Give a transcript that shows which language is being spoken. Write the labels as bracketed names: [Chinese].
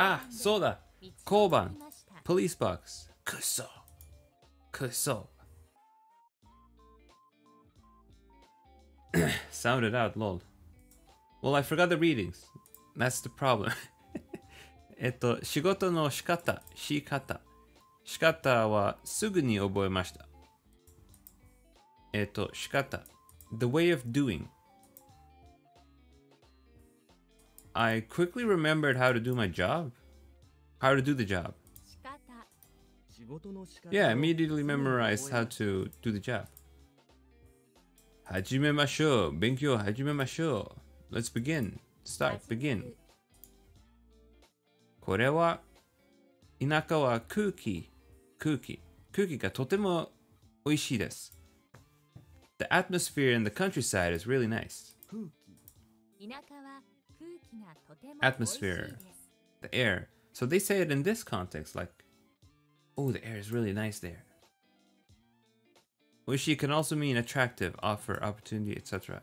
[Japanese] そうだ交番 [English] Police box [Japanese] くそ [English] Sounded out, lol Well, I forgot the readings That's the problem [Japanese] 仕事の仕方仕方はすぐに覚えました [English] 仕方 The way of doing. I quickly remembered how to do my job. How to do the job. [Japanese] 仕方仕事の仕方 [English] Yeah, immediately memorized how to do the job. [Japanese] 始めましょう。勉強始めましょう。 [English] Let's begin. Start. Begin. [Japanese] これは田舎は空気がとてもおいしいです。 [English] The atmosphere in the countryside is really nice. [Japanese] 田舎は空気がとても [English] atmosphere, the air. So they say it in this context, like, oh, the air is really nice there. Which can also mean attractive, offer, opportunity, etc.